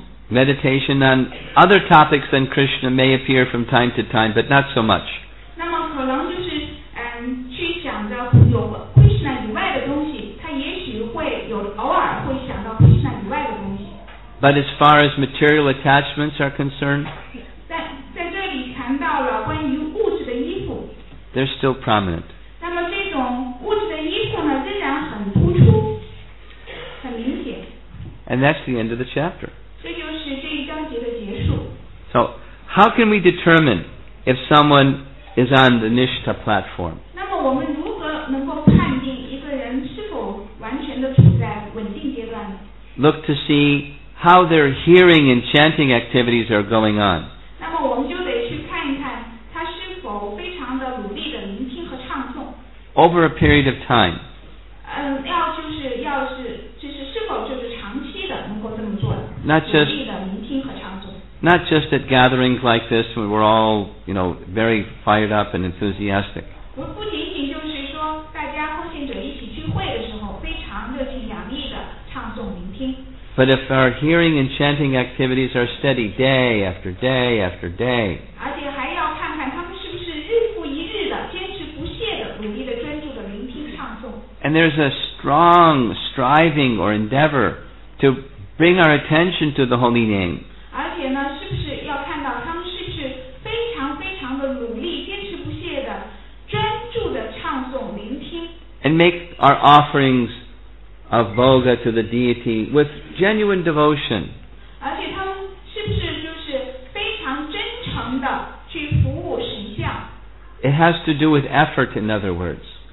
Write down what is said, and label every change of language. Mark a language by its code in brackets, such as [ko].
[en] Meditation on other topics than Krishna may appear from time to time, but not so much. [zh] 那么可能就是去想着有 Krishna 以外的东西，他也许会有偶尔会想到 Krishna 以外的东西。 [en] But as far as material attachments are concerned, [zh] 在这里谈到了关于物质的依附 [en] they're still prominent. [zh] 那么这种物质的依附呢，仍然很突出，很明显。 [en] And that's the end of the chapter. [zh] 这就是这一章节的结束。 [en] So, how can we determine if someone is on the nishtha platform? [zh] 那么我们如何能够判定一个人是否完全的处在稳定阶段呢？ [en] Look to see. How their hearing and chanting activities are going on. [zh] 那么我们就得去看一看他是否非常的努力的聆听和唱诵。 [en] Over a period of time. [zh] 要是是否就是长期的能够这么做的。 [en] Not just [zh] 努力的聆听和唱诵。 [en] Not just at gatherings like this when we're all, you know, very fired up and enthusiastic. [zh] 不仅仅就是说大家奉献者一起聚会的时候非常热情洋溢的唱诵聆听。 [en] But if our hearing and chanting activities are steady day after day after day, [zh] 而且还要看看他们是不是日复一日的坚持不懈的努力的专注的聆听唱诵。 [en] And there's a strong striving or endeavor to bring our attention to the holy name. [zh] 而且呢，是不是要看到他们是不是非常非常的努力、坚持不懈的专注的唱诵聆听 [en] ？And make our offerings. Of voga to the deity with genuine devotion. [zh] 而且他们是不是就是非常真诚的去服务神像 [en] ？It has to do with effort, in other words.